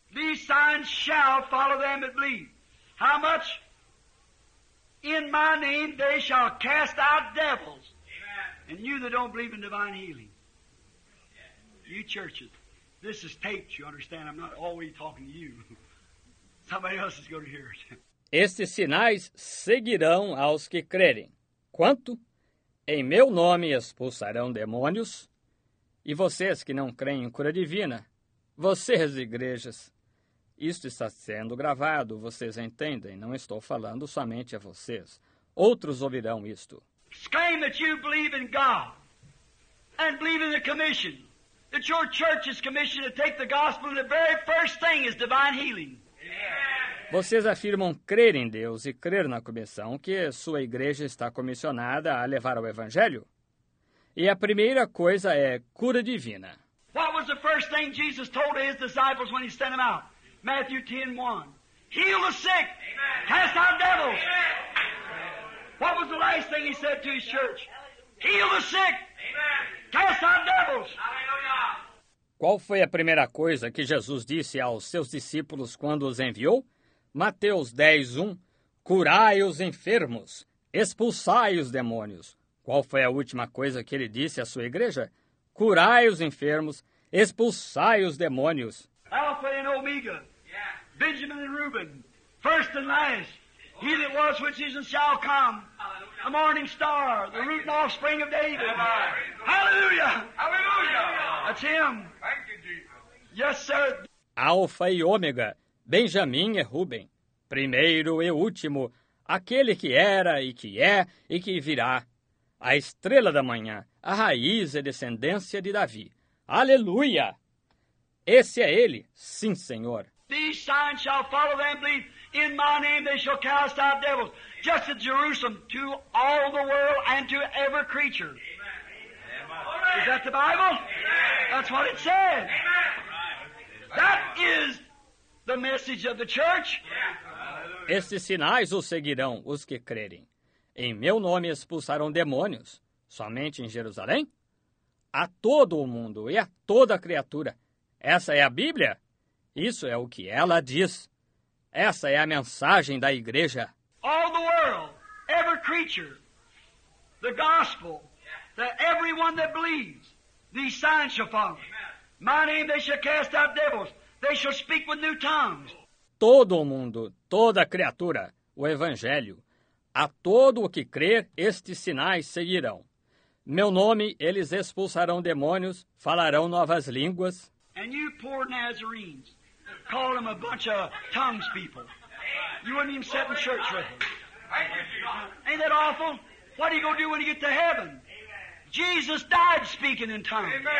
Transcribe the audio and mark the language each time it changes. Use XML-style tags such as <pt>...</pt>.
<en>These signs shall follow them that believe. How much? In my name they shall cast out devils. Amen. And you that don't believe in divine healing. You churches. This is taped, you understand. I'm not always talking to you. Somebody else is going to hear it.</en> <pt>Estes sinais seguirão aos que crerem. Quanto? Em meu nome expulsarão demônios. E vocês que não creem em cura divina, vocês, igrejas, isto está sendo gravado, vocês entendem, não estou falando somente a vocês. Outros ouvirão isto.</pt> <en>Exclaim that you believe in God and believe in the commission, that your church is commissioned to take the gospel and the very first thing is divine healing.</en> <pt>Vocês afirmam crer em Deus e crer na comissão que sua igreja está comissionada a levar o Evangelho? E a primeira coisa é cura divina.</pt> <en>What was the first thing Jesus told his disciples when he sent them out? Matthew 10:1. Heal the sick. Amen. Cast out devils. Amen. What was the last thing he said to his church? Heal the sick. Amen. Cast out devils.</en> <pt>Aleluia. Qual foi a primeira coisa que Jesus disse aos seus discípulos quando os enviou? Mateus 10:1. Curai os enfermos. Expulsai os demônios. Qual foi a última coisa que ele disse à sua igreja? Curai os enfermos, expulsai os demônios.</pt> <en>Alpha and Omega, yeah. Benjamin and Reuben, first and last, oh. He that was, which is, and shall come, hallelujah. The morning star, the thank root and offspring of David. Yeah. Hallelujah. Hallelujah! Hallelujah! That's him. Thank you, Jesus. Yes, sir.</en> <pt>Alpha e Omega, Benjamin e Reuben, primeiro e último, aquele que era e que é e que virá. A estrela da manhã, a raiz e descendência de Davi. Aleluia! Esse é ele, sim, Senhor.</pt> <en>These signs shall follow them, believe. In my name they shall cast out devils. Just at Jerusalem, to all the world and to every creature. Amen. Is that the Bible? Amen. That's what it says. Amen. That is the message of the church. Yeah.</en> <pt>Estes sinais os seguirão os que crerem. Em meu nome expulsarão demônios, somente em Jerusalém? A todo o mundo e a toda criatura. Essa é a Bíblia? Isso é o que ela diz. Essa é a mensagem da igreja.</pt> <en>All the world, every creature, the gospel, that everyone that believes, these signs shall follow. My name they shall cast out devils, they shall speak with new tongues.</en> <pt>Todo o mundo, toda criatura, o Evangelho. A todo o que crer, estes sinais seguirão. Meu nome, eles expulsarão demônios, falarão novas línguas.</pt> <en>And you poor Nazarenes, call them a bunch of tongues people. You wouldn't even sit in church with them. Ain't that awful? What are you going to do when you get to heaven? Jesus died speaking in tongues.</en>